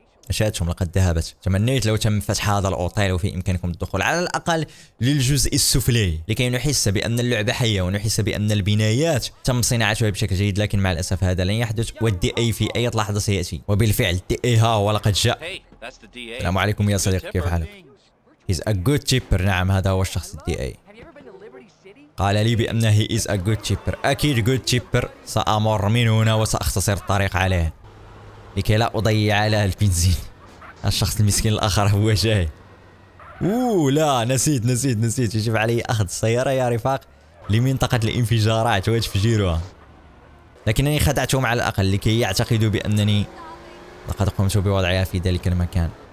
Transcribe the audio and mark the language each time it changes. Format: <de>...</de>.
<ar>اشاهدتم لقد ذهبت. تمنيت لو تم فتح هذا الاوتيل وفي امكانكم الدخول على الاقل للجزء السفلي لكي نحس بان اللعبه حيه ونحس بان البنايات تم صناعتها بشكل جيد، لكن مع الاسف هذا لن يحدث. والدي اي في اي لحظه سياتي. وبالفعل الدي اي ها هو لقد جاء. السلام عليكم يا صديقي، كيف حالك؟</ar> <en>He's a good tipper.</en> <ar>نعم هذا هو الشخص الدي اي. قال لي بأنه</ar> <en>is a good chipper.</en> <ar>أكيد</ar> <en>good chipper.</en> <ar>سأمر من هنا وسأختصر الطريق عليه لكي لا أضيع على البنزين. الشخص المسكين الآخر هو جاي. أوه لا، نسيت نسيت نسيت. يجب علي أخذ السيارة يا رفاق لمنطقة الانفجارات وتفجيرها، لكنني خدعتهم على الأقل لكي يعتقدوا بأنني لقد قمت بوضعها في ذلك المكان.</ar>